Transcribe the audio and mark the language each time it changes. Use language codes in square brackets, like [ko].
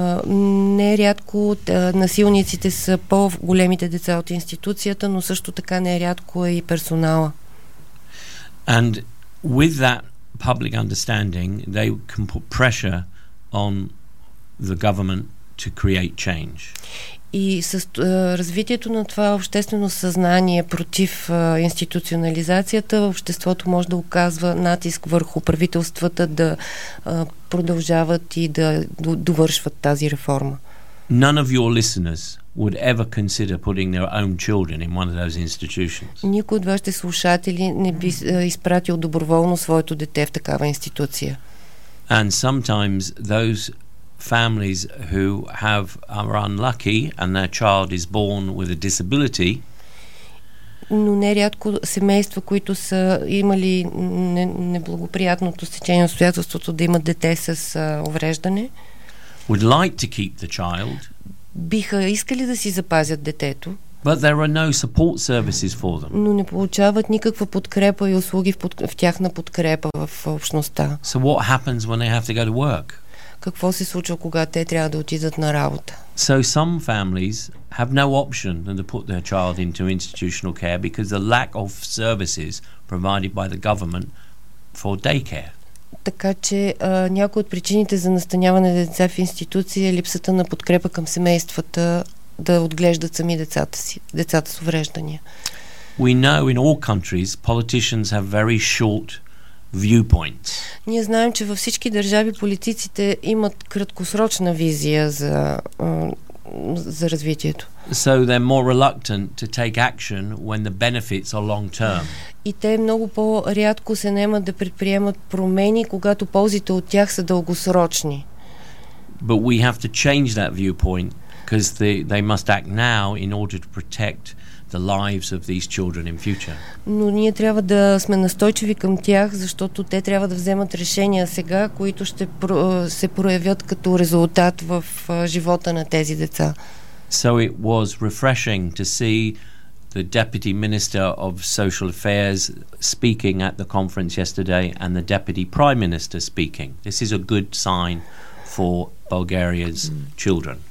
[bg] Нерядко насилниците са по-големите деца от институцията, но също така нерядко е и персонала. [en] And with that public understanding, they can put pressure on the government to create change. [bg] И с развитието на това обществено съзнание против институционализацията, обществото може да оказва натиск върху правителствата да продължават и да довършват тази реформа. [en] None of your listeners would ever consider putting their own children in one of those institutions. [bg] Никой от вашите слушатели не би изпратил доброволно своето дете в такава институция. [en] And sometimes those families who are unlucky and their child is born with a disability. [bg] Но нерядко семейства, които са имали неблагоприятното стечение на обстоятелството да имат дете с увреждане, [en] would like to keep the child. [bg] Биха искали да си запазят детето. [en] But there are no support services for them. [bg] Но не получават никаква подкрепа и услуги в тяхна подкрепа в общността. [en] So what happens when they have to go to work? [bg] Какво се случва, когато те трябва да отидат на работа? [en] So some families have no option than to put their child into institutional care because the lack of services provided by the government for daycare. [bg] Така че някои от причините за настаняване деца в институции е липсата на подкрепа към семействата да отглеждат сами децата с увреждания. [en] We know in all countries politicians have very short viewpoints. [bg] Ние знаем, че във всички държави политиците имат краткосрочна визия за развитието. [en] So they're more reluctant to take action when the benefits are long term. [bg] И те много по-рядко се наемат да предприемат промени, когато ползите от тях са дългосрочни. [en] But we have to change that viewpoint because they must act now in order to protect the lives of these children in future. [bg] Но ние трябва да сме настойчиви към тях, защото те трябва да вземат решения сега, които ще се проявят като резултат в живота на тези деца. [en] So it was refreshing to see the Deputy Minister of Social Affairs speaking at the conference yesterday and the Deputy Prime Minister speaking. This is a good sign for Bulgaria's children.